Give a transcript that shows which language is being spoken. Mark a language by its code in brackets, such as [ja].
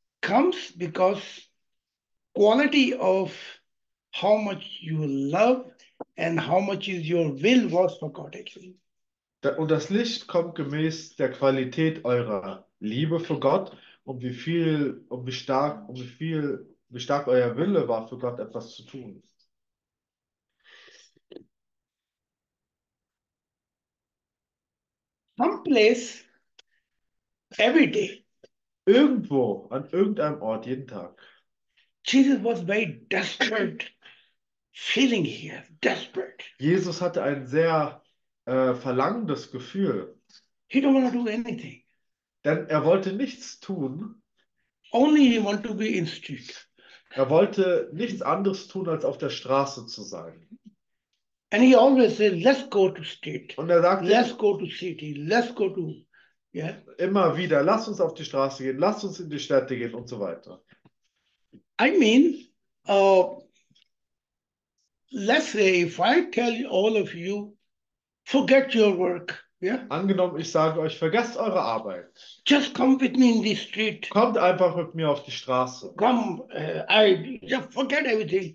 [en] comes because quality of how much you love and how much is your will was for God actually. [de] und das Licht kommt gemäß der Qualität eurer Liebe für Gott und wie viel und wie stark wie stark euer Wille war für Gott etwas zu tun. [en] Someplace every day. [de] Irgendwo, an irgendeinem Ort, jeden Tag. [en] Jesus was very desperate feeling here, desperate. [de] Jesus hatte ein sehr verlangendes Gefühl, [en] He don't want to do anything. [de] denn er wollte nichts tun. [en] Only he want to be in street. [de] Er wollte nichts anderes tun, als auf der Straße zu sein. [en] And he always said, let's go to state. [de] Und er sagte, [en] Let's go to city. Let's go to, yeah. [de] immer wieder, lasst uns auf die Straße gehen, lasst uns in die Städte gehen und so weiter. [en] I mean, let's say if I tell all of you, forget your work. [de] Ja? Angenommen, ich sage euch, vergesst eure Arbeit. [en] Just come with me in the street. [de] Kommt einfach mit mir auf die Straße. [en] Just forget everything.